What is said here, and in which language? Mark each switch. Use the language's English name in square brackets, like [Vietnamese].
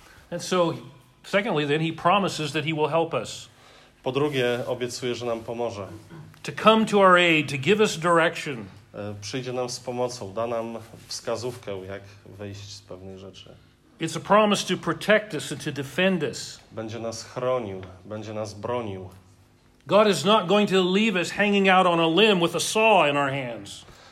[English] And so, secondly, then he promises that he will help us. [Polish] Po drugie, obiecuje, że nam pomoże. [English] To come to our aid, to give us direction. [Polish] przyjdzie nam z pomocą, da nam wskazówkę, jak wyjść z pewnych rzeczy. [English] It's a promise to protect us and to defend us. [Polish] Będzie nas chronił, będzie nas bronił. [English] God is not going to leave us hanging out on a limb with a saw in our hands.